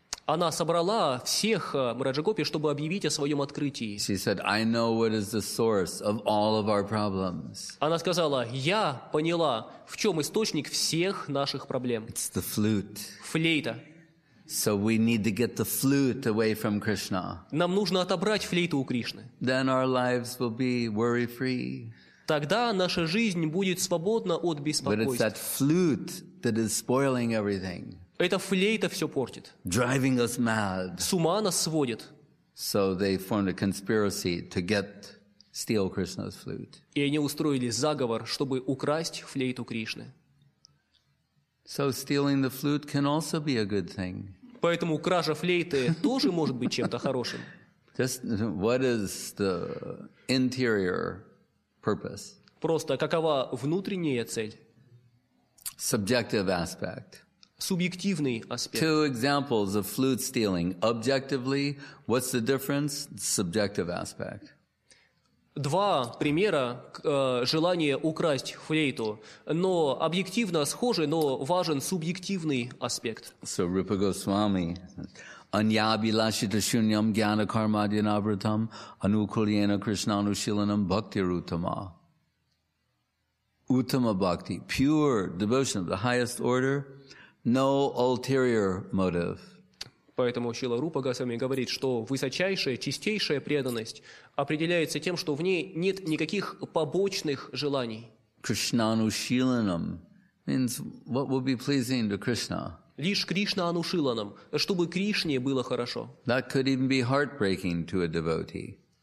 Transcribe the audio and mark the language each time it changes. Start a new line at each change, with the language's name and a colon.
Russian: Она собрала всех Браджагопи, чтобы объявить о своем открытии.
English: She said, I know what is the source of all of our problems.
Russian: Она сказала, я поняла, в чем источник всех наших проблем.
English: It's the flute.
Russian: Флейта.
English: So we need to get the flute away from Krishna.
Russian: Нам нужно отобрать флейту у Кришны.
English: Then our lives will be worry-free.
Russian: Тогда наша жизнь будет свободна от беспокойств.
English: But it's that flute that is spoiling everything.
Russian: Эта флейта все портит.
English: Driving us mad.
Russian: С ума нас сводит.
English: So they formed a conspiracy to steal Krishna's flute.
Russian: И они устроили заговор, чтобы украсть флейту Кришны.
English: So stealing the flute can also be a good thing.
Russian: Поэтому кража флейты тоже может быть чем-то хорошим.
English: Just what is the interior purpose?
Russian: Просто какова внутренняя цель?
English: Subjective aspect.
Russian: Субъективный аспект.
English: Two examples of flute stealing. Objectively, what's the difference? Subjective aspect.
Russian: Два примера желания украсть флейту, но объективно схожи, но важен субъективный аспект.
Sanskrit: So Rupa Goswami, anyabhilashitashunyam gyanakarmadhyanavritam anukulyena krishnanushilanam bhaktirutama.
English: Uttama bhakti, pure devotion of the highest order, no ulterior motive.
Russian: Поэтому Шрила Рупа Госвами говорит, что высочайшая, чистейшая преданность определяется тем, что в ней нет никаких побочных желаний.
English: Кришнанушиланам means what will be pleasing to Krishna.
Russian: Лишь Кришнанушиланам, чтобы Кришне было хорошо.
English: That could even be heartbreaking to a devotee.